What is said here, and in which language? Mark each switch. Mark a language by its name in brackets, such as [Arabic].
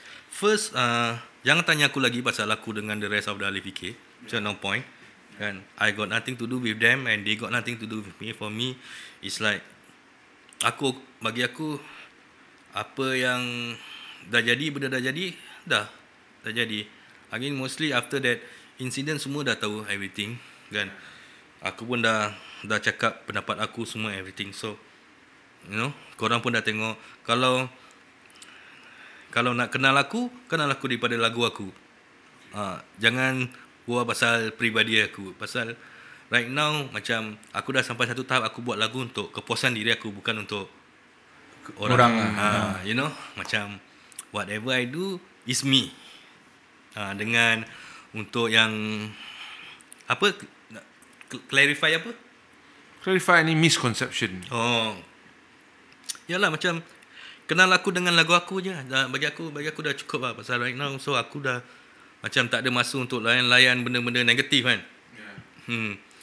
[Malay] first, jangan tanya aku lagi pasal aku dengan [English] the rest of the [Malay] Ali VK. [English] So no point. And I got nothing to do with them, and they got nothing to do with me. For me, it's like, [Malay] aku, bagi aku, apa yang dah jadi, benda dah jadi, dah jadi. [English] I mean mostly after that, [Malay] incident semua dah tahu [English] everything [Malay] kan. Aku pun dah cakap pendapat aku semua everything. [English] So you know, [Malay] korang pun dah tengok. Kalau nak kenal aku, kenal aku daripada lagu aku. Jangan buat pasal peribadi aku. Pasal [English] right now [Malay] macam aku dah sampai satu tahap aku buat lagu untuk kepuasan diri aku, bukan untuk orang. [English] You know, [Malay] macam [English] whatever I do is me. [Malay] Dengan untuk yang apa, clarify apa? [English] Clarify any misconception. Oh. [Malay] Yalah, macam kenal aku dengan lagu aku je. Bagi aku dah cukup lah. Pasal [English] right now, [Malay] so aku dah macam tak ada masa untuk layan-layan benda-benda negatif kan. Yeah.